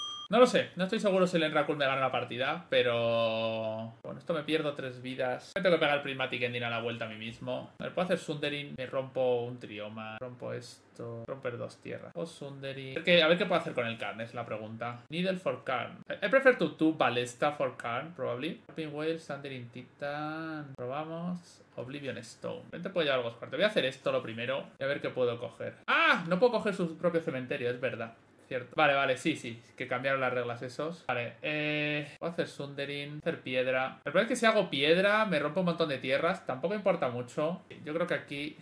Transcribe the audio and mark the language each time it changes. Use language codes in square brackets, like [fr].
[es] No lo sé, no estoy seguro si el Enrakul me gana la partida, pero... Bueno, esto me pierdo 3 vidas. Me tengo que pegar el Prismatic Ending a la vuelta a mí mismo. A ver, puedo hacer Sundering, me rompo un Trioma, rompo esto, romper dos tierras. O Sundering... A ver qué puedo hacer con el Karn, es la pregunta. [en] Needle for Karn. I prefer to do Ballesta for Karn, probably. [es] Harping Whale, Sundering Titan... Probamos... Oblivion Stone. Vente, puedo llevar algo fuerte. Voy a hacer esto lo primero y a ver qué puedo coger. ¡Ah! No puedo coger su propio cementerio, es verdad. Cierto. Vale, vale, sí, sí. Que cambiaron las reglas esos. Vale, voy a hacer Sundering, hacer piedra. El problema es que si hago piedra, me rompo un montón de tierras. Tampoco importa mucho. Yo creo que aquí...